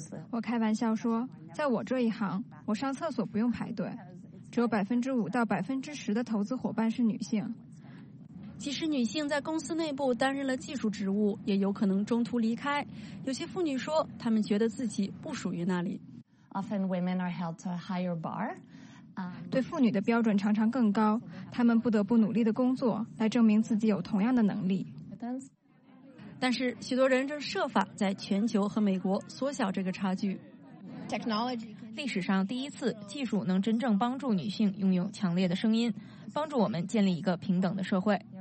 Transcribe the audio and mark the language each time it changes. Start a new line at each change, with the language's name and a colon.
Chinese: 我开玩笑说，在我这一行，我上厕所不用排队，只有5%到10%的投资伙伴是女性。即使女性在公司内部担任了技术职务，也有可能中途离开。有些妇女说，她们觉得自己不属于那里。
English: Often women are held to a higher bar.
Chinese: 对妇女的标准常常更高，她们不得不努力的工作来证明自己有同样的能力。但是，许多人正设法在全球和美国缩小这个差距。历史上第一次，技术能真正帮助女性拥有强烈的声音，帮助我们建立一个平等的社会。